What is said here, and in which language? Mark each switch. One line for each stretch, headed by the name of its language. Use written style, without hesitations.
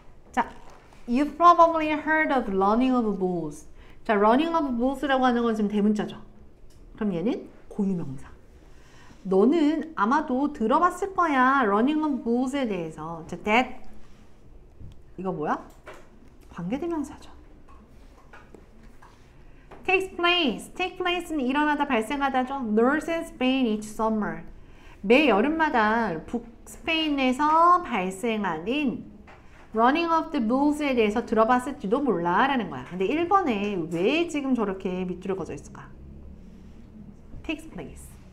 Korean: 자,
English: you probably heard of running of bulls.
Korean: 자, running of bulls라고 하는 건 지금 대문자죠. 그럼 얘는 고유명사. 너는 아마도 들어봤을 거야, running of bulls에 대해서. 자, that 이거 뭐야? 관계대명사죠.
English: Take place
Korean: 는 일어나다, 발생하다죠.
English: Northern Spain each summer.
Korean: 매 여름마다 북스페인에서 발생하는 Running of the Bulls에 대해서 들어봤을지도 몰라라는 거야. 근데 1번에 왜 지금 저렇게 밑줄을 그어져 있을까?
English: Takes place.